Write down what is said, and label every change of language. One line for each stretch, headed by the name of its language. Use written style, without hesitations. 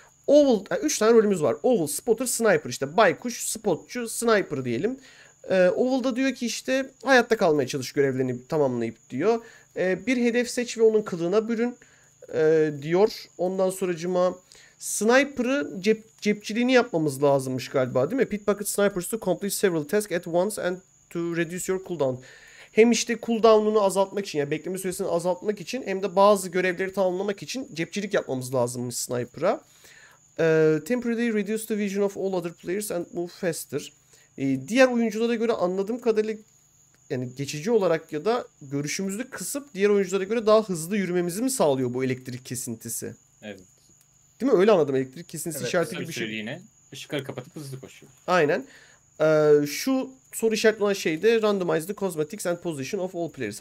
Turkish: Oval, 3 tane rolümüz var. Oval, Spotter, Sniper işte. Baykuş, Spotçu, Sniper diyelim. Oval'da diyor ki işte hayatta kalmaya çalış, görevlerini tamamlayıp diyor. Bir hedef seç ve onun kılığına bürün diyor. Ondan sonracıma Sniper'ı cepçiliğini yapmamız lazımmış galiba, değil mi?
English: Pickpocket snipers to complete several tasks at once and to reduce your cooldown.
Turkish: Hem işte cooldown'unu azaltmak için, yani bekleme süresini azaltmak için, hem de bazı görevleri tamamlamak için cepçilik yapmamız lazımmış Sniper'a.
English: Temporarily reduce the vision of all other players and move faster.
Turkish: Diğer oyunculara göre anladığım kadarıyla, yani geçici olarak ya da görüşümüzü kısıp diğer oyunculara göre daha hızlı yürümemizi mi sağlıyor bu elektrik kesintisi? Evet. Değil mi? Öyle anladım. Elektrik kesintisi Evet, işareti kısa bir gibi bir şey. süreliğine ışıkları kapatıp hızlı koşuyor. Aynen. Şu soru işareti olan şey de
English: randomize the cosmetics and position of all players.